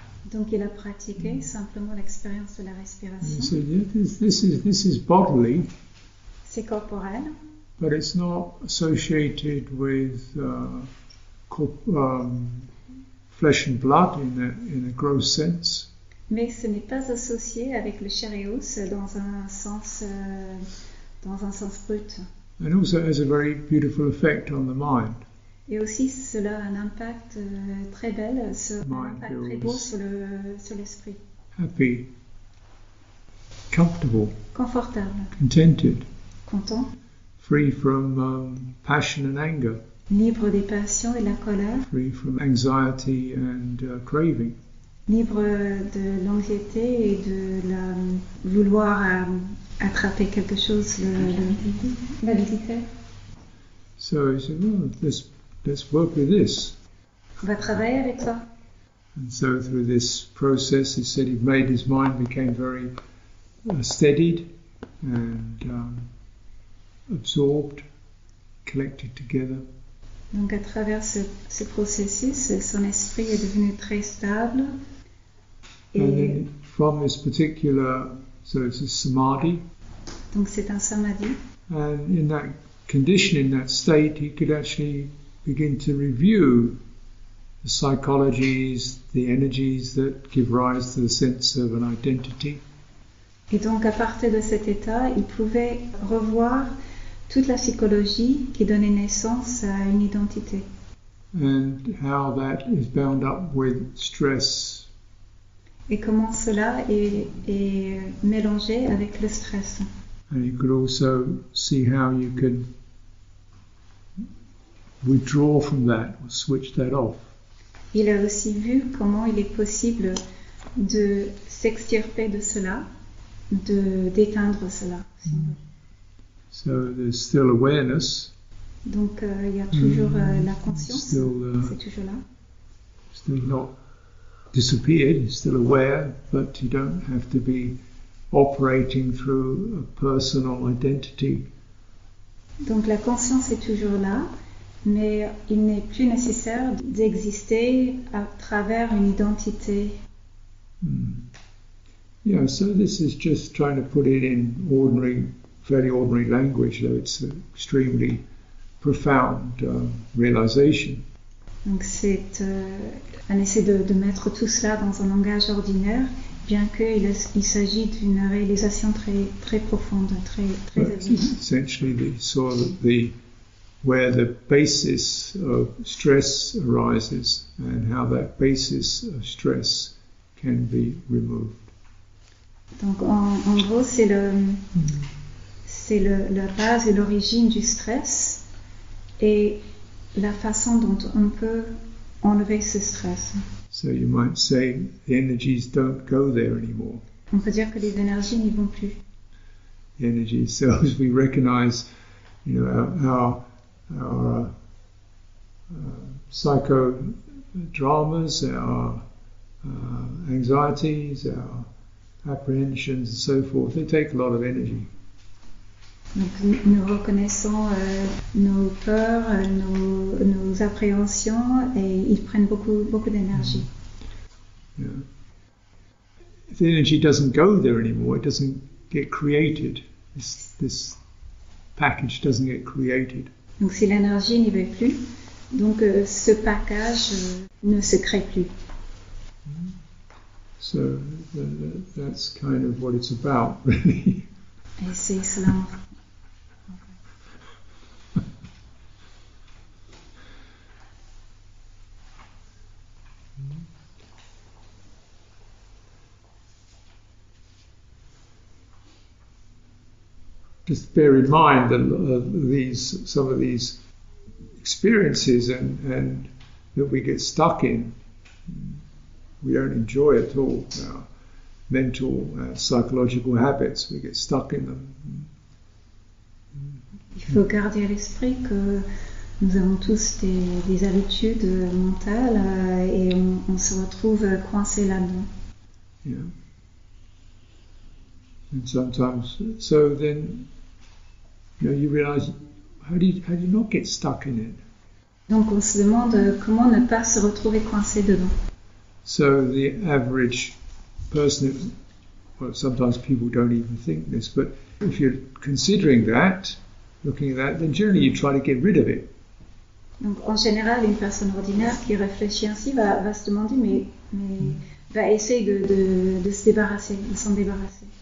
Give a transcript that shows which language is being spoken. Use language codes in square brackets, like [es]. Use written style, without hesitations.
[fr] Donc il a pratiqué simplement l'expérience de la respiration. [en] So this is bodily. [fr] C'est corporel. [en] But it's not associated with flesh and blood in a gross sense. [fr] Mais ce n'est pas associé avec le chair et os dans un sens brut. [en] And also has a very beautiful effect on the mind. [fr] Et aussi cela a un impact très bel, très beau sur l'esprit. [en] Happy, comfortable, [fr] confortable, [en] contented, [fr] content, [en] free from passion and anger, [fr] libre des passions et de la colère, [en] free from anxiety and craving. [fr] Libre de l'anxiété et de vouloir attraper quelque chose, l'habilité. [en] So he said, well, let's work with this. [fr] On va travailler avec ça. [en] And so through this process, he said he made his mind became very steadied and absorbed, collected together. [fr] Donc à travers ce processus, son esprit est devenu très stable. [en] And then from this particular, so it's a samadhi. [fr] Donc c'est un samadhi. [en] And in that condition, in that state, he could actually begin to review the psychologies, the energies that give rise to the sense of an identity. [fr] Et donc à partir de cet état, il pouvait revoir toute la psychologie qui donnait naissance à une identité. [en] And how that is bound up with stress. [fr] Et comment cela est mélangé avec le stress. [en] And you could also see how you could withdraw from that, or switch that off. [fr] Il a aussi vu comment il est possible de s'extirper de cela, d'éteindre cela. [en] So there's still awareness. [fr] Donc il y a toujours la conscience, c'est toujours là. [en] Still not disappeared, you're still aware, but you don't have to be operating through a personal identity. [fr] Donc la conscience est toujours là, mais il n'est plus nécessaire d'exister à travers une identité. Yeah, so this is just trying to put it in ordinary, fairly ordinary language, though it's an extremely profound realization. Donc c'est un essai de mettre tout cela dans un langage ordinaire, bien qu'il s'agit d'une réalisation très très profonde, très évidente. [en] Essentially, we saw the where the basis of stress arises and how that basis of stress can be removed. [fr] Donc en gros, c'est la base et l'origine du stress et la façon dont on peut enlever ce stress. [en] So you might say the energies don't go there anymore. [fr] On peut dire que les énergies n'y vont plus. [en] The energy cells, we recognize, you know, our psychodramas, our anxieties, our apprehensions, and so forth. They take a lot of energy. [fr] Donc nous reconnaissons nos peurs, nos appréhensions, et ils prennent beaucoup d'énergie. Yeah. [en] If the energy doesn't go there anymore, it doesn't get created. This package doesn't get created. [fr] Donc si l'énergie n'y va plus, donc ce package ne se crée plus. [en] So that's kind of what it's about, really. [fr] Et c'est cela. [en] Just bear in mind that some of these experiences and that we get stuck in, we don't enjoy at all. Our mental, psychological habits, we get stuck in them. [fr] Il faut garder à l'esprit que nous avons tous des habitudes mentales et on se retrouve coincé là-dedans. Yeah. [en] And sometimes, so then. You know, you realize how do you not get stuck in it? [fr] Donc on se demande comment ne pas se retrouver coincé dedans. [en] So the average person, well, sometimes people don't even think this, but if you're considering that, looking at that, then generally you try to get rid of it. [fr] Donc en général, une personne ordinaire qui réfléchit ainsi va se demander va essayer de s'en débarrasser.